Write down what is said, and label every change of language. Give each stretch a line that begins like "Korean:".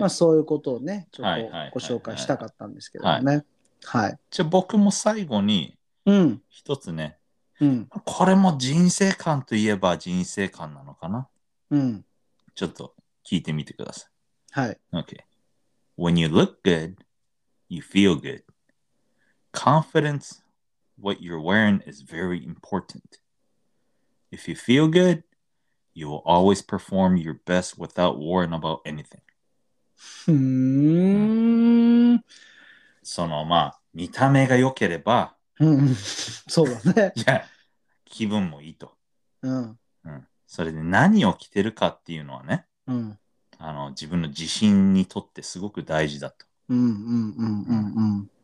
Japanese: まあ、そういうことをねちょっとご紹介したかったんですけどね。じゃあ僕も最後に一つね、うん、これも人生観といえば人生観なのかな、うん、ちょっと聞いてみてください。はい、
English: OK。 When you look good, you feel good. Confidence, what you're wearing is very importantIf you feel good, you will always perform your best without worrying about anything.
Japanese: そのまあ見た目が良ければ、そうだね。じゃあ気分もいいと。うん。うん。それで何を着てるかっていうのはね、うん、あの自分の自信にとってすごく大事だと。うんうんうんうんうん。